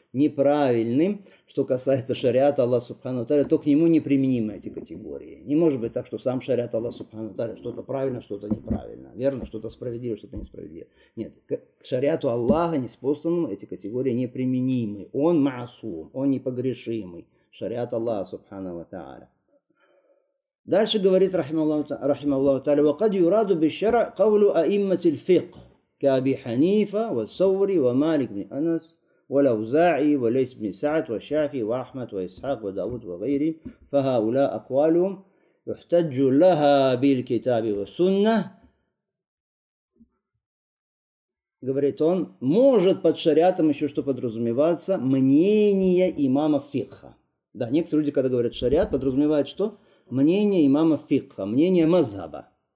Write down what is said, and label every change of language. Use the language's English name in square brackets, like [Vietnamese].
[Russian] неправильным, что касается шариата Аллаха Субхану Таля, то к нему неприменимы эти категории. Не может быть так, что сам шариат Аллаха Субхану Таля что-то правильно, что-то неправильно. Верно, что-то справедливо, что-то несправедливо. Нет, к шариату Аллаха неспосланному эти категории неприменимы. Он маасум, он непогрешимый. Шариат Аллаха Субхану Таля. Дальше говорит рахима Аллаху Таля, [Arabic] وَقَدْ يُرَادُ بِالشَّرَعْ قَوْلُ أَئِمَّةِ الْفِقْ كَأَبِي حَنِيفَ وَالثَّوْرِ وَمَالِكِ بْنِ أَنَسْ وَلَوْزَاعِي وَلَيْسِ بْنِ سَعَدْ وَالشَّافِي وَأَحْمَدْ وَإِسْحَاقْ وَدَاوُدْ وَغَيْرِهِمْ فَهَؤُلَاءَ أَقْوَالُهُمْ يُحْتَجُّ لَهَا بِالْكِتَابِ وَالسُنَّةِ. [Russian] Говорит он, может под шариатом еще что подразумеваться? Мнение имама фикха. Да, некоторые люди, когда говорят шариат, подразумевают что? Мнение имама фикха, мнение мазхаба.